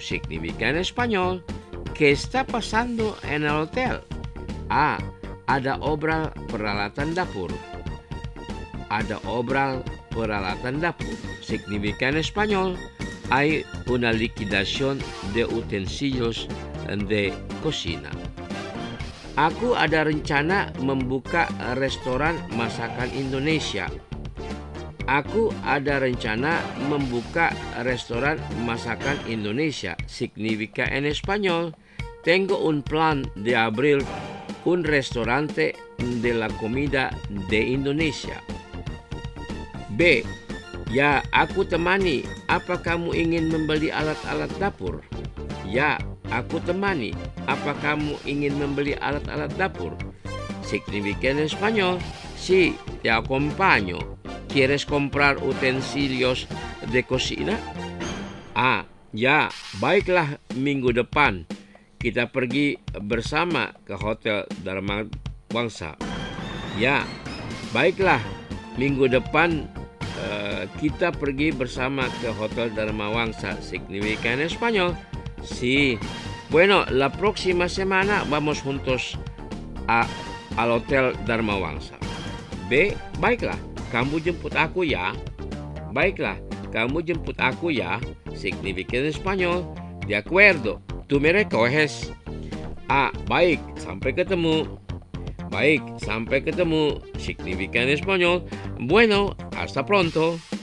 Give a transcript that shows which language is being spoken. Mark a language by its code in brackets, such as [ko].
[es] Significa en español, ¿qué está pasando en el hotel? A. [id] Ada obral peralatan dapur. Ada obral peralatan dapur. [es] Significa en español, hay una liquidación de utensilios de cocina. [id] Aku ada rencana membuka restoran masakan Indonesia. Aku ada rencana membuka restoran masakan Indonesia. [es] Significa en español, tengo un plan de abrir un restaurante de la comida de Indonesia. [id] B. Ya, aku temani. Apa kamu ingin membeli alat-alat dapur? Ya, aku temani. Apa kamu ingin membeli alat-alat dapur? [es] Significa en español, sí, te acompaño. ¿Quieres comprar utensilios de cocina? A. [id] Ya, baiklah, minggu depan. Kita pergi bersama ke Hotel Dharma Wangsa. Ya, baiklah, minggu depan kita pergi bersama ke Hotel Dharma Wangsa. [es] Significa en español, sí. Bueno, la próxima semana vamos juntos al Hotel Dharma Wangsa. B. [id] Baiklah. Kamu jemput aku ya. Baiklah, kamu jemput aku ya. [es] Significa en español, de acuerdo, tú me recoges. A. [id] Baik, sampai ketemu. Baik, sampai ketemu. [es] Significa en español, bueno, hasta pronto.